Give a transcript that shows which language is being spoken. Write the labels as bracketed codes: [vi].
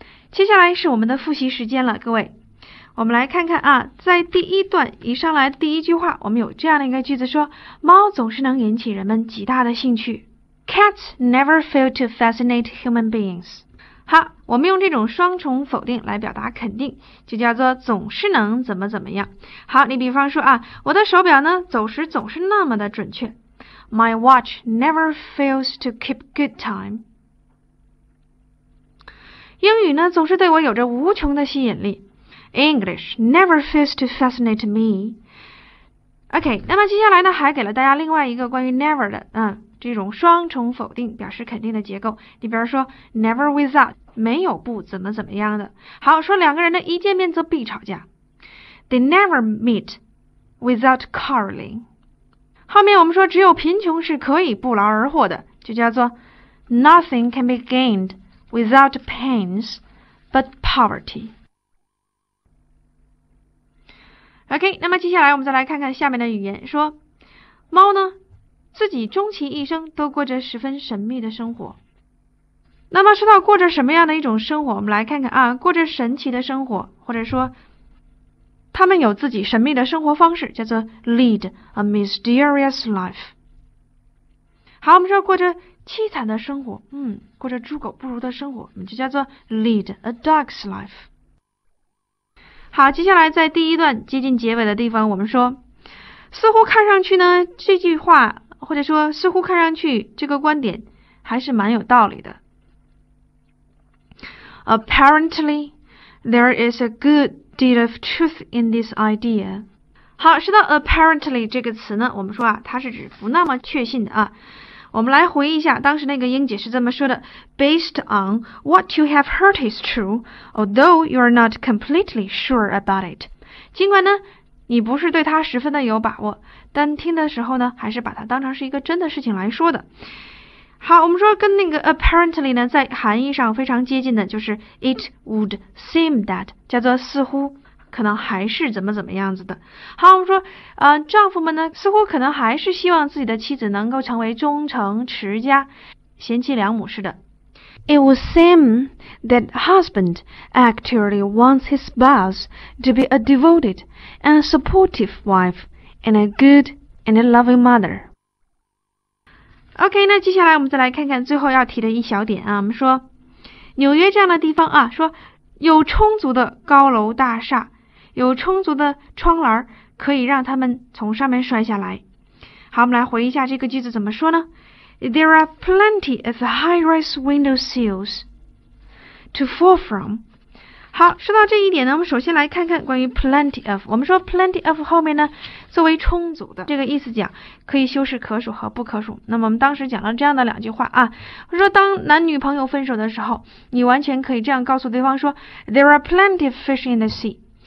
[zh] 接下来是我们的复习时间了，各位。我们来看看啊，在第一段一上来第一句话，我们有这样的一个句子说，猫总是能引起人们极大的兴趣。 [en] Cats never fail to fascinate human beings. [zh] 好，我们用这种双重否定来表达肯定，就叫做总是能怎么怎么样。好，你比方说啊，我的手表呢，走时总是那么的准确。 [en] My watch never fails to keep good time. [zh] 英语呢，总是对我有着无穷的吸引力。 [en] English never fails to fascinate me. [zh] OK, 那么接下来呢，还给了大家另外一个关于 never 的，这种双重否定表示肯定的结构。你比如说 ,never without, 没有不怎么怎么样的。好，说两个人呢一见面则必吵架。 [en] They never meet without quarreling. [zh] 后面我们说只有贫穷是可以不劳而获的，就叫做 , [en] nothing can be gained without pains but poverty. [zh] OK, 那么接下来我们再来看看下面的语言，说猫呢自己终其一生都过着十分神秘的生活。那么说到过着什么样的一种生活，我们来看看啊，过着神奇的生活，或者说他们有自己神秘的生活方式，叫做 [en] lead a mysterious life。 [zh] 好，我们说过着凄惨的生活，过着猪狗不如的生活，我们就叫做 [en] lead a dog's life。 [zh] 好，接下来在第一段接近结尾的地方，我们说似乎看上去呢，这句话或者说似乎看上去这个观点还是蛮有道理的。 [en] Apparently, there is a good deal of truth in this idea. [zh] 好，说到 apparently 这个词呢，我们说啊，它是指不那么确信的啊。我们来回忆一下当时那个英姐是这么说的， [en] Based on what you have heard is true, although you are not completely sure about it. [zh] 尽管呢你不是对它十分的有把握，但听的时候呢还是把它当成是一个真的事情来说的。好，我们说跟那个 apparently 呢在含义上非常接近的，就是 [en] it would seem that, [zh] 叫做似乎可能还是怎么怎么样子的。好，我们说丈夫们呢似乎可能还是希望自己的妻子能够成为忠诚持家贤妻良母似的。 [en] It would seem that husband actually wants his spouse to be a devoted and supportive wife and a good and a loving mother. [zh] OK, 那接下来我们再来看看最后要提的一小点啊，我们说纽约这样的地方啊，说有充足的高楼大厦，有充足的窗栏可以让他们从上面摔下来。好，我们来回忆一下这个句子怎么说呢？ [en] There are plenty of high-rise window sills to fall from. [zh] 好，说到这一点呢，我们首先来看看关于 plenty of。我们说 plenty of 后面呢作为充足的这个意思讲，可以修饰可数和不可数。那么我们当时讲了这样的两句话啊，说当男女朋友分手的时候，你完全可以这样告诉对方说， [en] There are plenty of fish in the sea.